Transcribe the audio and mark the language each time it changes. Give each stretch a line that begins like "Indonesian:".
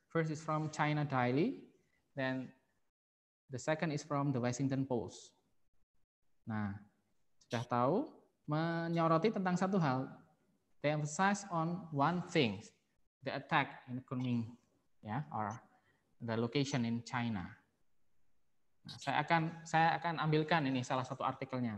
English: First is from China Daily, then the second is from the Washington Post.
Indonesian: Nah, sudah tahu menyoroti tentang satu hal.
English: They emphasize on one thing, the attack in Kunming, or the location in China.
Indonesian: Nah, saya akan ambilkan ini salah satu artikelnya.